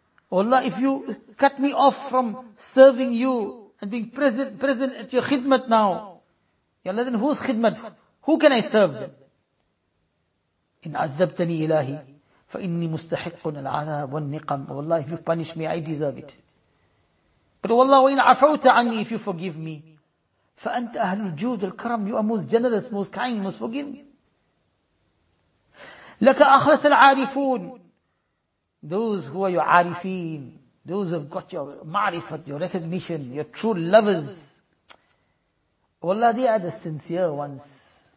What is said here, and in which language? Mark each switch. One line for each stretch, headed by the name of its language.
English: Allah, if you cut me off from serving you and being present at your khidmat now, ya Allah, then who's khidmat? Who can I serve then?
Arabic: إِنْ عَذَّبْتَنِي إِلَهِ فَإِنِّي مُسْتَحِقٌ الْعَذَابُ وَالنِّقَمُ.
English: Allah, if you punish me, I deserve it. But Allah,
Arabic: وَإِنْ عَفَوْتَ عَنِّي,
English: if you forgive me,
Arabic: فَأَنْتَ أَهْلُ الْجُودِ الْكَرَمِ.
English: You are most generous, most kind, most forgiving.
Arabic: لَكَ أَخْلَسَ الْعَارِفُونَ.
English: Those who are your arifin, those who have got your ma'rifat, your recognition, your true lovers, wallah, they are the sincere ones.